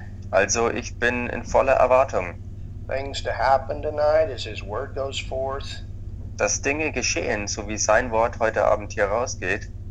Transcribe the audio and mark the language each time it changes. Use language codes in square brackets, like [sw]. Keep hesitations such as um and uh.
[de] Also, ich bin in voller Erwartung. [en] Things to happen tonight as His Word goes [de] dass Dinge geschehen, so wie sein Wort heute Abend hier rausgeht.